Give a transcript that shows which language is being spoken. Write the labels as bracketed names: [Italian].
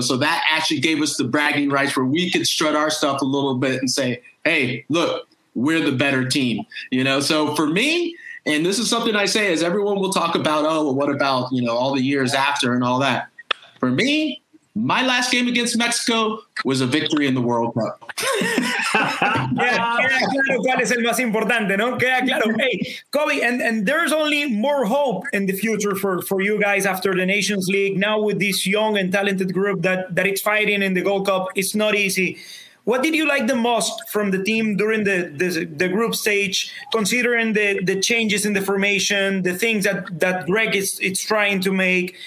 [English] So that actually gave us the bragging rights where we could strut our stuff a little bit and say, hey, look, we're the better team. You know, so for me, and this is something I say, is everyone will talk about, oh, well, what about, you know, all the years after and all that. For me, my last game against Mexico was a victory in the World Cup. [Spanish] Queda claro cuál es el más importante, ¿no? Queda claro. [English] Hey, Kobe, and there's only more hope in the future for you guys after the Nations League. Now with this young and talented group that it's fighting in the Gold Cup, it's not easy. What did you like the most from the team during the group stage, considering the changes in the formation, the things that Greg is trying to make?